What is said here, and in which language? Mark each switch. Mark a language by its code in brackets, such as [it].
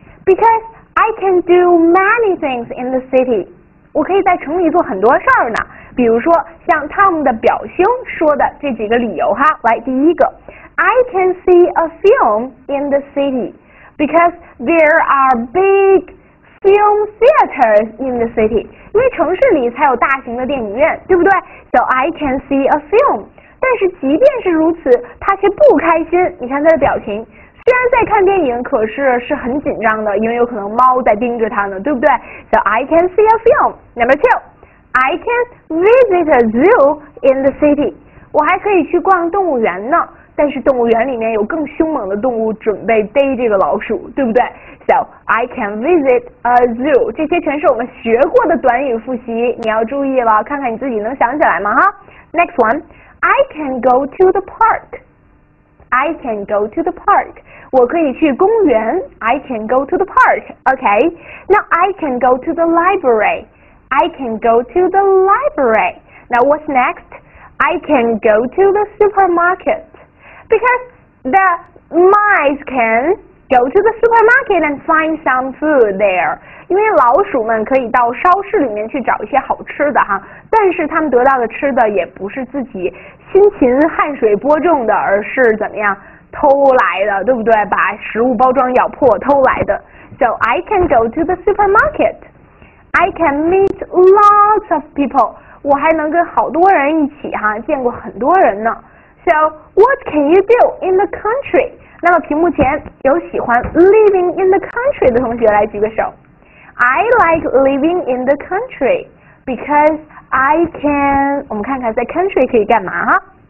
[en] Because I can do many things in the city. [zh] 我可以在城里做很多事儿呢。比如说像 Tom 的表兄说的这几个理由哈。来，第一个， [en] I can see a film in the city because there are big film theaters in the city. [zh] 因为城市里才有大型的电影院，对不对？ [en] So I can see a film. [zh] 但是即便是如此，他却不开心。你看他的表情，虽然在看电影，可是是很紧张的，因为有可能猫在盯着他呢，对不对？ [en] So I can see a film. Number two,I can visit a zoo in the city. [zh] 我还可以去逛动物园呢，但是动物园里面有更凶猛的动物准备逮这个老鼠，对不对？ [en] So, I can visit a zoo. [zh] 这些全是我们学过的短语复习，你要注意了，看看你自己能想起来吗？哈。 [en] Next one, I can go to the park. I can go to the park. [zh] 我可以去公园， [en] I can go to the park. Okay, now I can go to the library. I can go to the library. Now what's next? I can go to the supermarket. Because the mice can go to the supermarket and find some food there. [zh] 因为老鼠们可以到超市里面去找一些好吃的哈，但是他们得到的吃的也不是自己辛勤汗水播种的，而是怎么样偷来的，对不对？把食物包装咬破偷来的。 [en] So I can go to the supermarket. I can meet lots of people. [zh] 我还能跟好多人一起哈，见过很多人呢。 [en] So, what can you do in the country? [zh] 那么屏幕前有喜欢 [en] living in the country [zh] 的同学来举个手。 [en] I like living in the country because I can, [zh] 我们看看在 country 可以干嘛哈。